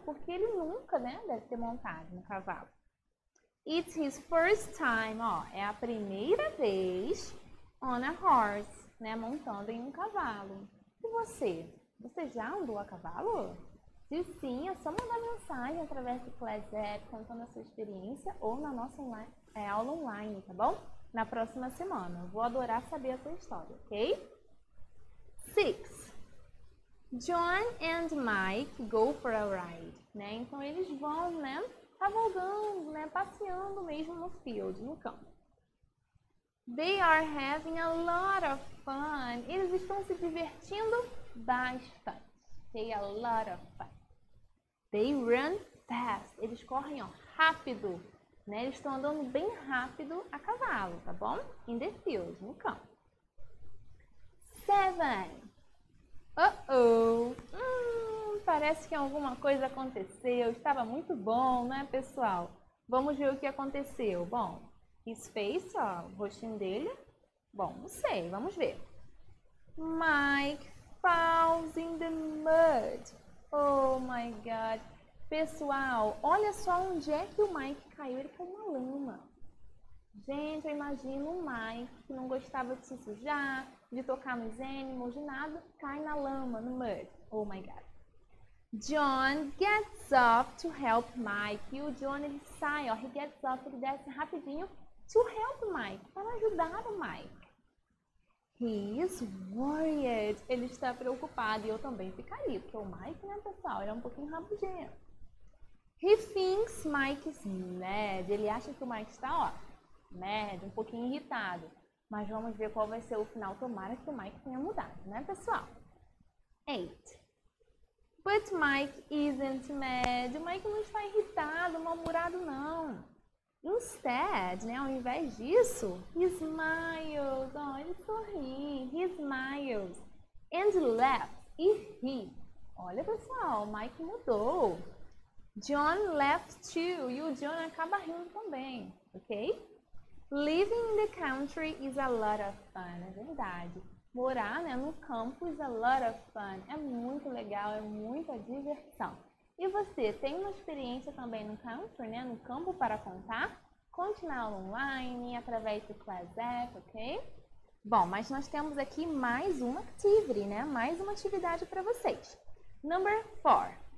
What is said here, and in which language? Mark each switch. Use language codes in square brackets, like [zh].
[pt] Porque ele nunca, né, deve ter montado no cavalo. [en] It's his first time, [pt] ó, é a primeira vez [en] on a horse, [pt] né, montando em um cavalo. E você? Você já andou a cavalo? Se sim, é só mandar mensagem através do Class App contando a sua experiência ou na nossa aula online, tá bom? Na próxima semana. Vou adorar saber a sua história, ok? [en] Six. John and Mike go for a ride, né? [pt] Então eles vão, né? Cavalgando, né? Passeando mesmo no field, no campo. [en] They are having a lot of fun. [pt] Eles estão se divertindo bastante. [en] They a lot of fun. They run fast. [pt] Eles correm, ó, rápido, né? Eles estão andando bem rápido a cavalo, tá bom? [en] In the field, [pt] no campo. Seven. Oh, parece que alguma coisa aconteceu. Estava muito bom, né, pessoal? Vamos ver o que aconteceu. Bom, [en] his face, [pt] ó, o rostinho dele. Bom, não sei, vamos ver. [en] Mike falls in the mud. Oh my God. [pt] Pessoal, olha só onde é que o Mike caiu. Ele caiu na lama. Gente, eu imagino o Mike, que não gostava de se sujar, de tocar nos animais, de nada, cai na lama, no mud. [en] Oh my God. John gets up to help Mike. [pt] E o John, ele sai, ó, [en] he gets up, [pt] ele desce rapidinho [en] to help Mike, [pt] para ajudar o Mike. [en] He is worried. [pt] Ele está preocupado e eu também ficaria, porque o Mike, né, pessoal, ele é um pouquinho rabugento. [en] He thinks Mike is mad. [pt] Ele acha que o Mike está, ó, mad, um pouquinho irritado. Mas vamos ver qual vai ser o final. Tomara que o Mike tenha mudado, né, pessoal? Eight. [en] But Mike isn't mad. [pt] O Mike não está irritado, mal-humorado, não. Instead, né, ao invés disso, [en] he smiles. [pt] Oh, ele sorri. [en] He smiles. And laughs. [pt] E ri. Olha, pessoal, o Mike mudou. [en] John laughs too. [pt] E o John acaba rindo também, ok? [en] Living in the country is a lot of fun. [pt] É verdade. Morar, né, no campo [en] is a lot of fun. [pt] É muito legal, é muita diversão. E você, tem uma experiência também no country, né, no campo para contar? Conte na aula online, através do Class App, ok? Bom, mas nós temos aqui mais uma activity, né? Mais uma atividade para vocês. Number 4.